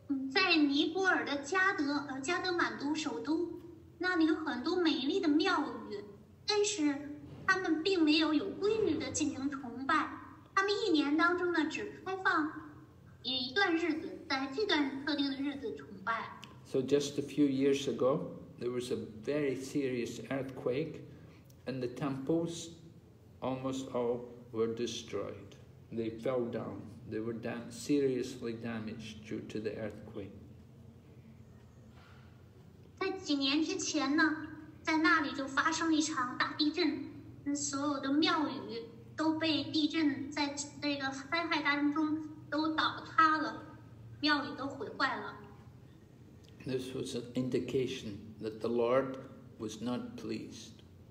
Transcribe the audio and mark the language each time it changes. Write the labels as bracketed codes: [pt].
[zh] 在尼泊尔的加德满都首都，那里有很多美丽的庙宇，但是他们并没有有规律的进行崇拜。他们一年当中呢，只开放一段日子，在这段特定的日子崇拜。 [en] So just a few years ago, there was a very serious earthquake, and the temples almost all were destroyed. They fell down. They were seriously damaged due to the earthquake. [zh] 在几年之前呢，在那里就发生了一场大地震，所有的庙宇都被地震在这个灾害当中都倒塌了，庙宇都毁坏了。 [en] This was an indication that the Lord was not pleased.